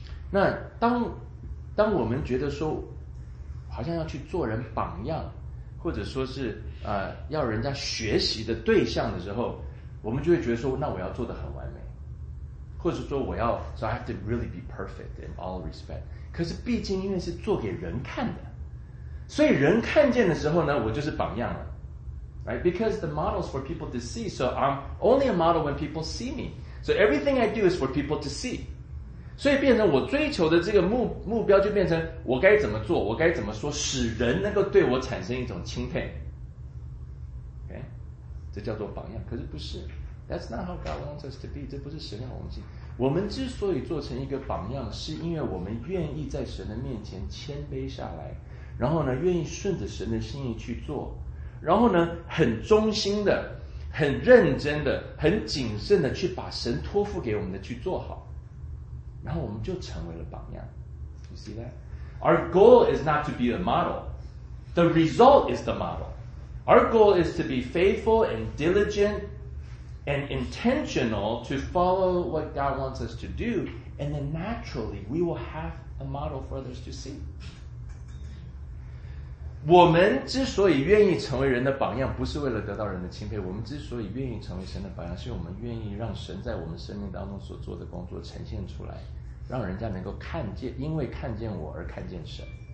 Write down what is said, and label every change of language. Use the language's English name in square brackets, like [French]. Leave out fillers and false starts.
[Chinese] 那当我们觉得说好像要去做人榜样，或者说是要人家学习的对象的时候，我们就会觉得说那我要做得很完美，或者说我要 [English] so I have to really be perfect in all respect。 [Chinese] 可是毕竟因为是做给人看的，所以人看见的时候呢，我就是榜样了。 [English] Right, because the model is for people to see, so I'm only a model when people see me. So everything I do is for people to see. [Chinese] 所以变成我追求的这个目标就变成我该怎么做，我该怎么说，使人能够对我产生一种钦佩。 Okay, 这叫做榜样。可是不是 ， [English] That's not how God wants us to be. [Chinese] 这不是神要我们去。我们之所以做成一个榜样，是因为我们愿意在神的面前谦卑下来，然后呢，愿意顺着神的心意去做。然后呢，很忠心的，很认真的，很谨慎的去把神托付给我们的去做好，然后我们就成为了榜样。 [English] You see that? Our goal is not to be the model. The result is the model. Our goal is to be faithful and diligent and intentional to follow what God wants us to do. And then naturally, we will have a model for others to see. [Chinese] 我们之所以愿意成为人的榜样，不是为了得到人的钦佩，我们之所以愿意成为神的榜样，是我们愿意让神在我们生命当中所做的工作呈现出来，让人家能够看见，因为看见我而看见神。